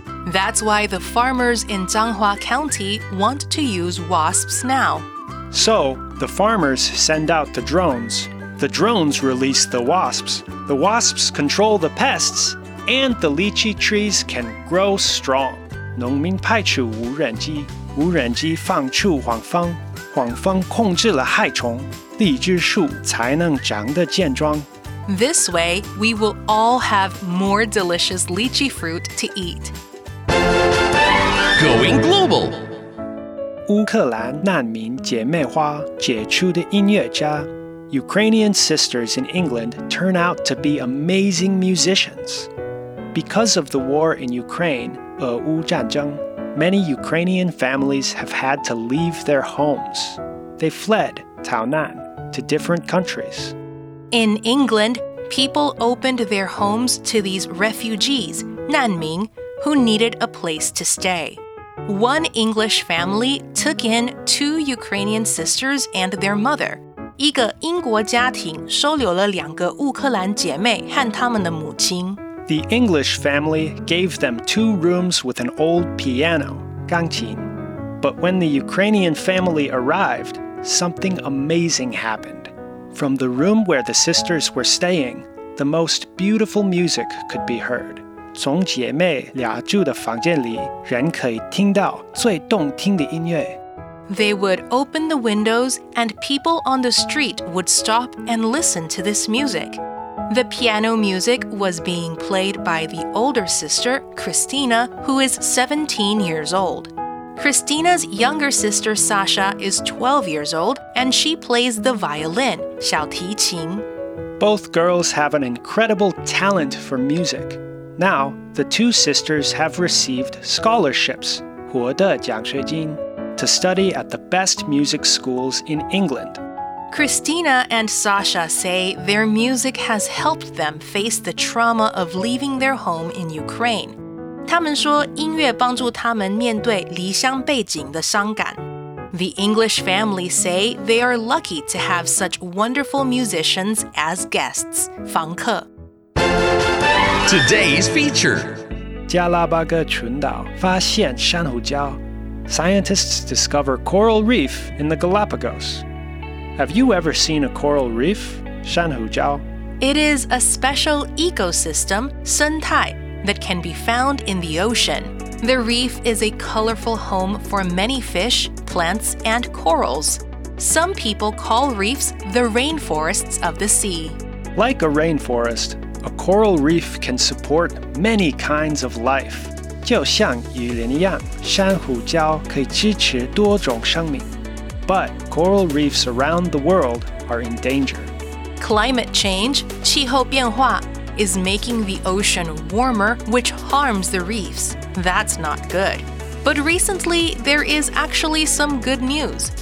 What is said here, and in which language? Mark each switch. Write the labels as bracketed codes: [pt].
[en] That's why the farmers in Changhua County want to use wasps now. So, the farmers send out the drones. The drones release the wasps. The wasps control the pests, and the lychee trees can grow strong. [zh] 农民派出无人机,无人机放出黄蜂,黄蜂控制了害虫。荔枝树才能长得健壮。 [en] This way, we will all have more delicious lychee fruit to eat. Going global! [zh] 乌克兰难民姐妹花,傑出的音樂家。 [en] Ukrainian sisters in England turn out to be amazing musicians. Because of the war in Ukraine, 俄烏戰爭, many Ukrainian families have had to leave their homes. They fled, 逃難.To different countries. In England, people opened their homes to these refugees, 难民, who needed a place to stay. One English family took in two Ukrainian sisters and their mother. [zh] 一个英国家庭收留了两个乌克兰姐妹和她们的母亲. [en] The English family gave them two rooms with an old piano, 钢琴. But when the Ukrainian family arrived,Something amazing happened. From the room where the sisters were staying, the most beautiful music could be heard. [zh] 从姐妹俩住的房间里,人可以听到最动听的音乐。 [en] They would open the windows, and people on the street would stop and listen to this music. The piano music was being played by the older sister, Khrystyna, who is 17 years old. Khrystyna's younger sister Sasha is 12 years old, and she plays the violin, 小提琴. Both girls have an incredible talent for music. Now, the two sisters have received scholarships, [zh] 获得奖学金, [en] to study at the best music schools in England. Khrystyna and Sasha say their music has helped them face the trauma of leaving their home in Ukraine. [zh] 他们说音乐帮助他们面对离乡背井的伤感。 [en] The English family say they are lucky to have such wonderful musicians as guests, 房客。 Today's feature. [zh] 加拉巴哥群岛发现珊瑚礁。 [en] Scientists discover coral reef in the Galapagos. Have you ever seen a coral reef, 珊瑚礁? It is a special ecosystem, 生态。 that can be found in the ocean. The reef is a colorful home for many fish, plants, and corals. Some people call reefs the rainforests of the sea. Like a rainforest, a coral reef can support many kinds of life. [zh] 就像雨林一样，珊瑚礁可以支持多种生命。 [en] But coral reefs around the world are in danger. Climate change, 气候变化, is making the ocean warmer, which harms the reefs. That's not good. But recently, there is actually some good news.